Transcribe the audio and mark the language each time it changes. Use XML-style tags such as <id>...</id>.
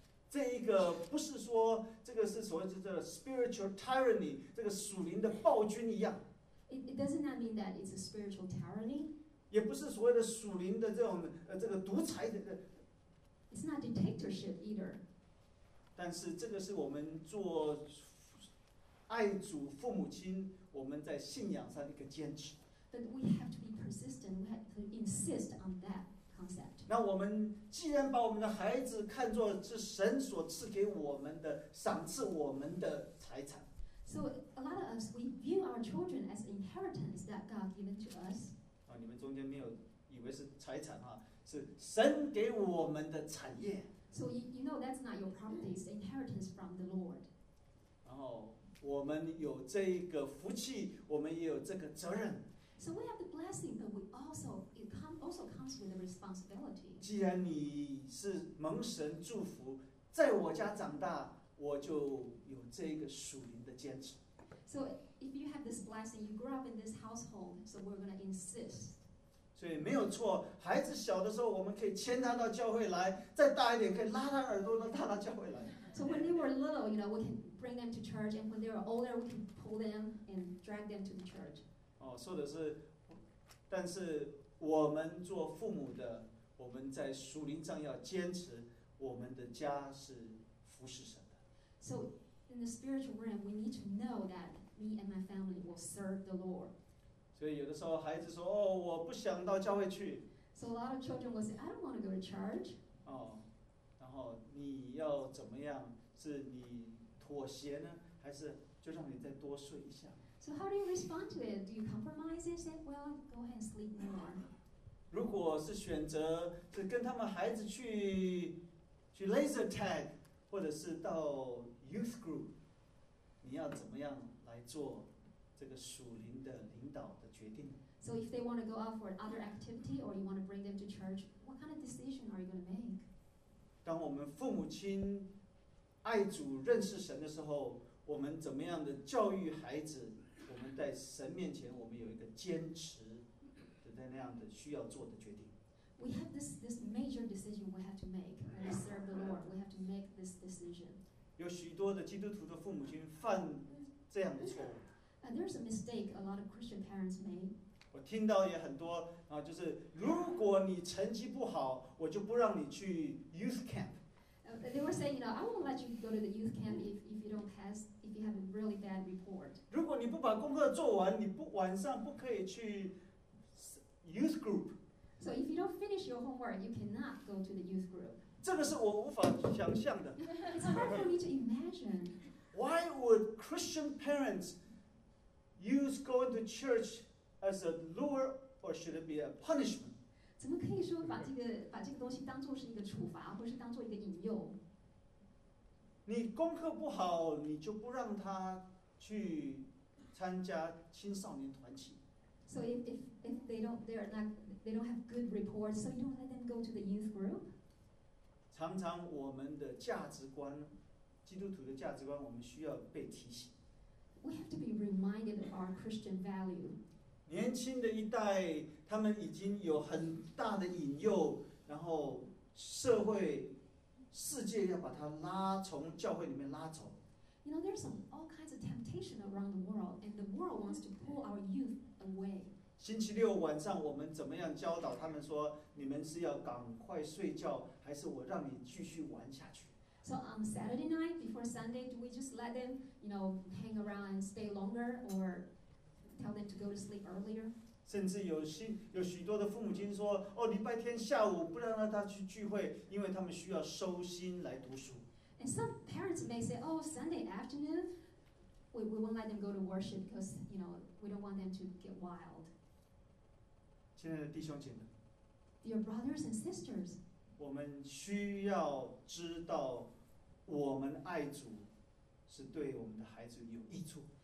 <zh>这一个不是说这个是所谓的</zh> <en>spiritual tyranny，</en> <zh>这个属灵的暴君一样。</zh> <en>It doesn't that mean that it's a spiritual tyranny。</en> <zh>也不是所谓的属灵的这种这个独裁的。</zh> <en>It's not dictatorship either。</en> <zh>但是这个是我们做爱主父母亲，我们在信仰上的一个坚持。</zh> <en>But we have to be persistent. We have to insist on that.</en> <zh>那我们既然把我们的孩子看作是神所赐给我们的、赏赐我们的财产</zh> <en>，So a lot of us we view our children as inheritance that God given to us.</en> <zh>啊，你们中间没有以为是财产哈，是神给我们的产业。</zh> <en>So you know that's not your property, it's inheritance from the Lord.</en> <zh>然后我们有这个福气，我们也有这个责任。</zh> <en>So we have the blessing, but we also it also comes with a responsibility.</en> <zh>既然你是蒙神祝福，在我家长大，我就有这个属灵的坚持。</zh> <en>So if you have this blessing, you grew up in this household, so we're going to insist.</en> <zh>所以没有错，孩子小的时候，我们可以牵他到教会来；再大一点，可以拉他耳朵，让他到教会来。</zh> <en>So when they were little, you know, we can bring them to church, and when they were older, we can pull them and drag them to the church.</en> <zh>哦，说的是，但是。我们做父母的，我们在属灵上要坚持，我们的家是服侍神的。</zh> <en>So in the spiritual realm, we need to know that me and my family will serve the Lord.</en> <zh>所以有的时候孩子说：“哦，我不想到教会去。”</zh> <en>So a lot of children will say, "I don't want to go to church."</en> <zh>哦，然后你要怎么样？是你妥协呢，还是就让你再多睡一下？</zh> <en>So how do you respond to it? Do you compromise and say, well, go ahead and sleep more?</en> <zh>如果是选择是跟他们孩子去 laser tag, 或者是到 youth group, 你要怎么样来做这个属灵的领导的决定。</zh> <en>So if they want to go out for another activity or you want to bring them to church, what kind of decision are you going to make?</en> <zh>当我们父母亲爱主认识神的时候，我们怎么样的教育孩子，我们在神面前我们有一个坚持的那样的需要做的决定。</zh> <en>We have this major decision we have to make when we serve the Lord. We have to make this decision.</en> <zh>有许多的基督徒的父母亲犯这样的错误。</zh> <en>And there's a mistake a lot of Christian parents made.</en> <zh>我听到也很多啊，就是如果你成绩不好，我就不让你去 youth camp.</zh> <en>They were saying, you know, I won't let you go to the youth camp if you don't pass, if you have a really bad report.</en> <zh>如果你不把功课做完，你不晚上不可以去 youth group.</zh> <en>So if you don't finish your homework, you cannot go to the youth group.</en> <zh>这个是我无法想象的。</zh> <en>It's hard for me to imagine. Why would Christian parents use going to church as a lure or should it be a punishment?</en> <zh>怎么可以说把这个东西当作是一个处罚，或是当作一个引诱？你功课不好，你就不让他去参加青少年团契。</zh> <en>So if they don't have good reports, so you don't let them go to the youth group?</en> <zh>常常我们的价值观，基督徒的价值观，我们需要被提醒。</zh> <en>We have to be reminded of our Christian value.</en> <zh>年轻的一代，他们已经有很大的引诱，然后社会、世界要把他拉从教会里面拉走。</zh> <en>You know, there's all kinds of temptation around the world, and the world wants to pull our youth away.</en> <zh>星期六晚上我们怎么样教导他们说，你们是要赶快睡觉，还是我让你继续玩下去？</zh> <en>So on Saturday night before Sunday, do we just let them, you know, hang around and stay longer, or tell them to go to sleep earlier?</en> <zh>甚至有许多的父母亲说，哦，礼拜天下午不让他去聚会，因为他们需要收心来读书。</zh> <en>And some parents may say, oh, Sunday afternoon, we won't let them go to worship because, you know, we don't want them to get wild.</en> <zh>亲爱的弟兄姐妹,</zh> <en>Dear brothers and sisters,</en> <zh>我们需要知道我们爱主是对我们的孩子有益处。</zh>